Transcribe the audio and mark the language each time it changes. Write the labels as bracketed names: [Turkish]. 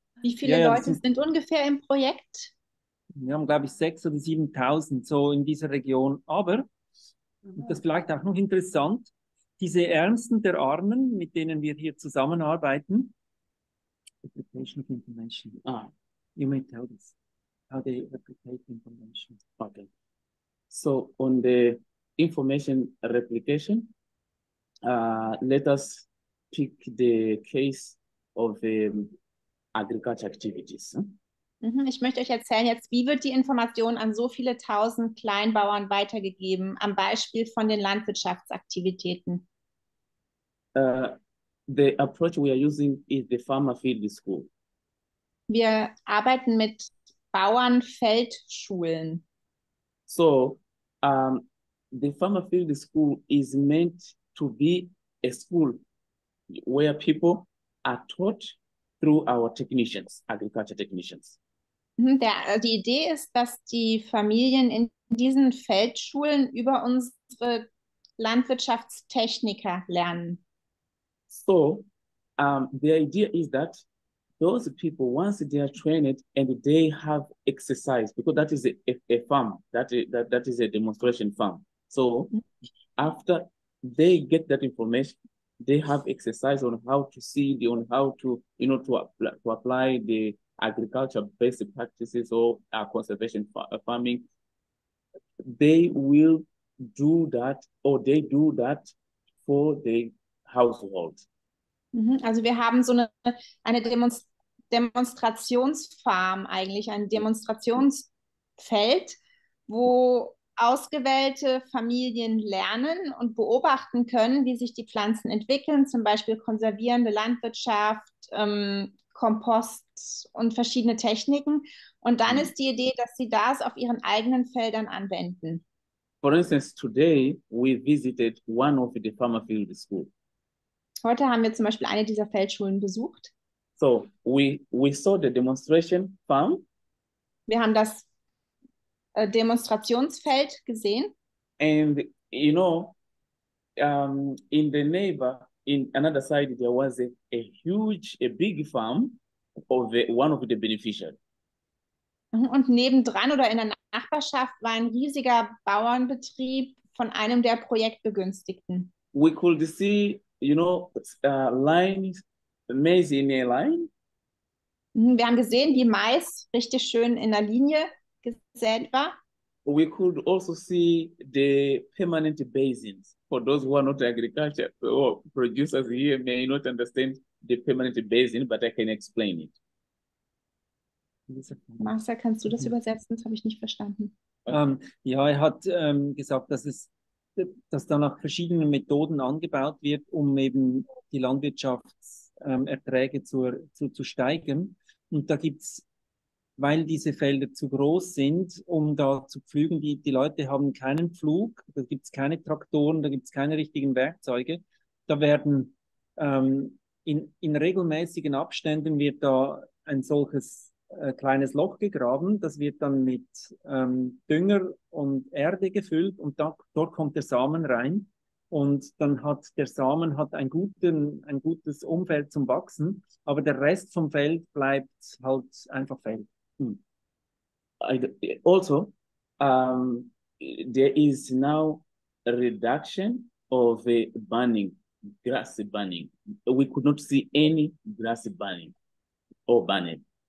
[German] Wie viele Leute sind ungefähr im Projekt? Wir haben, glaube ich, 6.000 oder 7.000 so in dieser Region. Aber, das ist vielleicht auch noch interessant, diese Ärmsten der Armen, mit denen wir hier zusammenarbeiten, [English] Replication of information. You may tell us how they replicate information. Okay. So, on the information replication, let us pick the case of agriculture activities. Mm-hmm. [German] Ich möchte euch erzählen jetzt, wie wird die Information an so viele tausend Kleinbauern weitergegeben, am Beispiel von den Landwirtschaftsaktivitäten? [English] The approach we are using is the farmer field school. [German] Wir arbeiten mit Bauernfeldschulen. [English] So, the farmer field school is meant to be a school where people are taught through our technicians, agriculture technicians. [German] Die Idee ist, dass die Familien in diesen Feldschulen über unsere Landwirtschaftstechniker lernen. [English] So, the idea is that those people, once they are trained and they have exercise, because that is a farm, that is a demonstration farm. So, after they get that information, they have exercise on how to seed, on how to, you know, to apply the agriculture-based practices or conservation farming. They will do that, or they do that for the household. [German] Also wir haben so eine Demonstrationsfarm eigentlich, ein Demonstrationsfeld, wo ausgewählte Familien lernen und beobachten können, wie sich die Pflanzen entwickeln, zum Beispiel konservierende Landwirtschaft, Kompost und verschiedene Techniken. Und dann ist die Idee, dass sie das auf ihren eigenen Feldern anwenden. [English] For instance, today we visited one of the farmer field school. [German] Heute haben wir zum Beispiel eine dieser Feldschulen besucht. [English] So we saw the demonstration farm. [German] Wir haben das Demonstrationsfeld gesehen. [English] And in the neighbor, in another side, there was a huge, a big farm of one of the beneficiaries. [German] Und nebendran oder in der Nachbarschaft war ein riesiger Bauernbetrieb von einem der Projektbegünstigten. [English] We could see, lines, maize in a line. [German] Wir haben gesehen, wie Mais richtig schön in der Linie gesät war. [English] We could also see the permanent basins. For those who are not agriculture or producers here may not understand the permanent basin, but I can explain [German] Marcel, kannst du das übersetzen? Das habe ich nicht verstanden. Ja, er hat gesagt, dass dann nach verschiedenen Methoden angebaut wird, um eben die Landwirtschaftserträge zu steigern. Und da gibt es, weil diese Felder zu groß sind, um da zu pflügen, die Leute haben keinen Pflug, da gibt es keine Traktoren, da gibt es keine richtigen Werkzeuge. Da werden in regelmäßigen Abständen wird da ein solches kleines Loch gegraben, das wird dann mit Dünger und Erde gefüllt und dort kommt der Samen rein und dann hat der Samen hat ein gutes Umfeld zum Wachsen, aber der Rest vom Feld bleibt halt einfach Feld. [English] Also, there is now a reduction of burning, grass burning. We could not see any grass burning or burning.